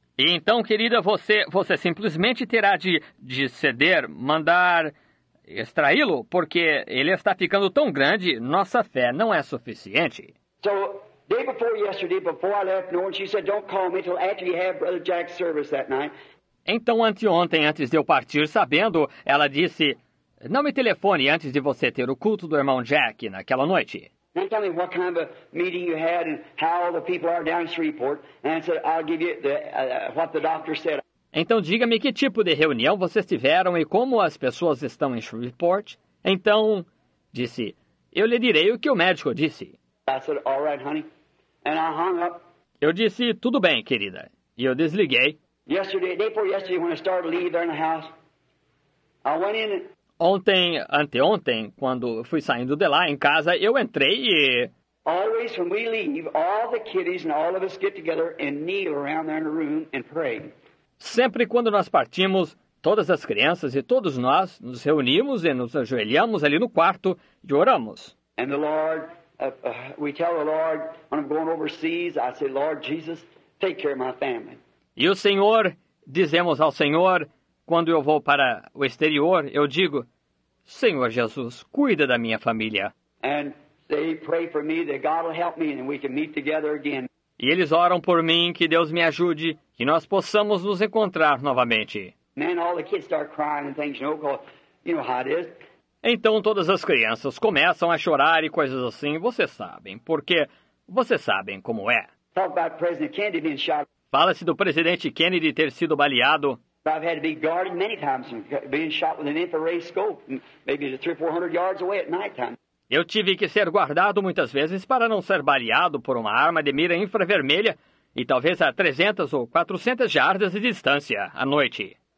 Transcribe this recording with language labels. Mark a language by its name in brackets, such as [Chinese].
[Portuguese] E então, querida, você simplesmente terá de ceder, mandar extraí-lo, porque ele está ficando tão grande, nossa fé não é suficiente. [English] So, day before yesterday, before I left, no one, she said, don't call me until after you have Brother Jack's service that night. [Portuguese] Então, anteontem, antes de eu partir sabendo, ela disse, não me telefone antes de você ter o culto do irmão Jack naquela noite. [English] Then tell me what kind of a meeting you had and how all the people are down in Shreveport. And I said, I'll give you what the doctor said. [Portuguese] Então diga-me que tipo de reunião vocês tiveram e como as pessoas estão em Shreveport. Então, disse, eu lhe direi o que o médico disse. [English] I said, all right, honey. And I hung up. [Portuguese] Eu disse, tudo bem, querida. E eu desliguei. [English] Yesterday, day before yesterday, when I started to leave there in the house, I went in and... [Portuguese] Ontem, anteontem, quando fui saindo de lá em casa, eu entrei e... [English] Always when we leave, all the kiddies and all of us get together and kneel around there in the room and pray. [Portuguese] Sempre quando nós partimos, todas as crianças e todos nós nos reunimos e nos ajoelhamos ali no quarto e oramos. [English] And the Lord, we tell the Lord, when I'm going overseas, I say, Lord Jesus, take care of my family. [Portuguese] E o Senhor, dizemos ao Senhor, quando eu vou para o exterior, eu digo, Senhor Jesus, cuida da minha família. [English] And they pray for me that God will help me and we can meet together again. [Portuguese] E eles oram por mim, que Deus me ajude, que nós possamos nos encontrar novamente. [English] Man, all the kids start crying and things, you know how it is. [Portuguese] Então todas as crianças começam a chorar e coisas assim, vocês sabem, porque vocês sabem como é. [English] Talk about President Kennedy being shot. [Portuguese] Fala-se do presidente Kennedy ter sido baleado. [English] I've had to be guarded many times from being shot with an infrared scope, maybe 300 or 400 yards away at night time. [Portuguese] Eu tive que ser guardado muitas vezes para não ser baleado por uma arma de mira infravermelha e talvez a 300 ou 400 jardas de distância à noite.